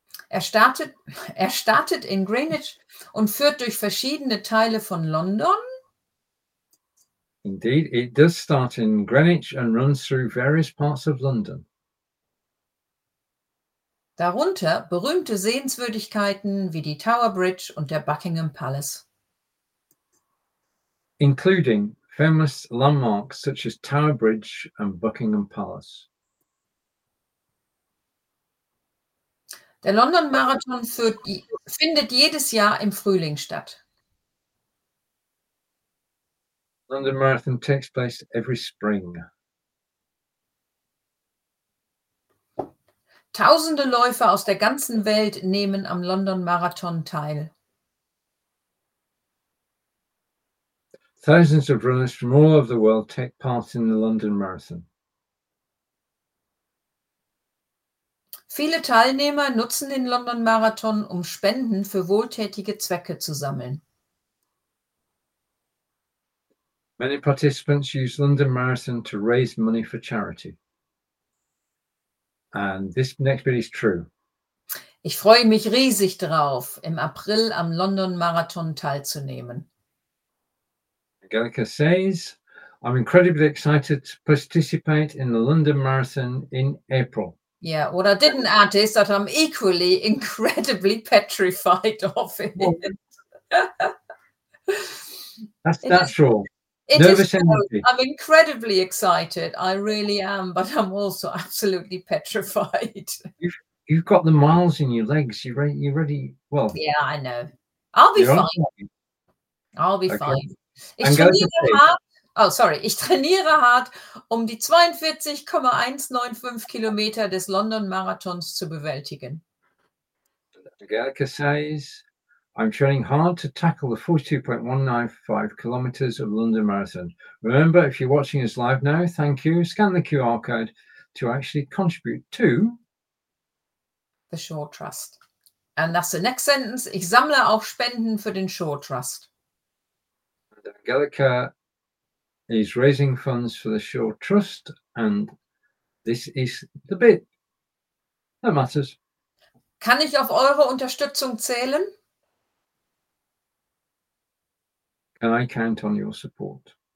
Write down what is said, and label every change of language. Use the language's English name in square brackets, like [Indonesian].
[German] Er startet in Greenwich und führt durch verschiedene Teile von London. [English] Indeed, it does start in Greenwich and runs through various parts of London. [German] Darunter berühmte Sehenswürdigkeiten wie die Tower Bridge und der Buckingham Palace. [English] Including famous landmarks such as Tower Bridge and Buckingham Palace. [German] Der London Marathon findet jedes Jahr im Frühling statt. [English] London Marathon takes place every spring. [German] Tausende Läufer aus der ganzen Welt nehmen am London Marathon teil. [English] Thousands of runners from all over the world take part in the London Marathon. [German] Viele Teilnehmer nutzen den London Marathon, um Spenden für wohltätige Zwecke zu sammeln. [English] Many participants use London Marathon to raise money for charity. And this next bit is true. [German] Ich freue mich riesig drauf, im April am London Marathon teilzunehmen. [English] Angelica says, I'm incredibly excited to participate in the London Marathon in April. Yeah, what I didn't add is that I'm equally incredibly petrified of it. I'm incredibly excited. I really am, but I'm also absolutely petrified. You've got the miles in your legs. You're ready. Well, yeah, I know. I'll be fine. [German] Ich trainiere hart, um die 42,195 Kilometer des London Marathons zu bewältigen. [English] Angelica says, I'm training hard to tackle the 42,195 kilometers of London Marathon. Remember, if you're watching us live now, thank you. Scan the QR code to actually contribute to the Shore Trust. And that's the next sentence. [German] Ich sammle auch Spenden für den Shore Trust. [English] Angelica is raising funds for the Shore Trust, and this is the bit that matters. [German] Kann ich auf eure Unterstützung zählen? [English] Can I count on your support?